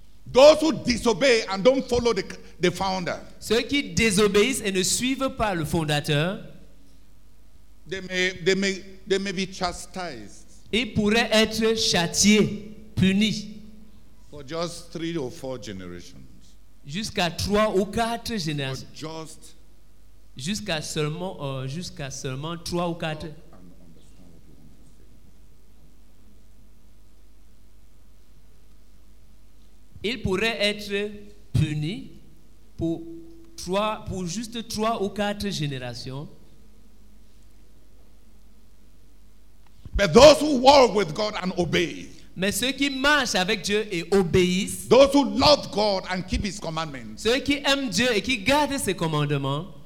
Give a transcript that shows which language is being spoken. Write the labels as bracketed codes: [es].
[en] those who disobey and don't follow the founder, [fr] ceux qui désobéissent et ne suivent pas le fondateur, [en] they may be chastised. [fr] Ils pourraient être châtiés, punis. [en] For just 3 or 4 generations. [fr] Jusqu'à 3 ou 4 générations. [en] For just [fr] Jusqu'à seulement 3 ou 4. Il pourrait être puni pour juste 3 ou 4 générations. [en] But those who walk with God and obey. [fr] Mais ceux qui marchent avec Dieu et obéissent, [en] those who love God and keep his commandments, [fr] ceux qui aiment Dieu et qui gardent ses commandements,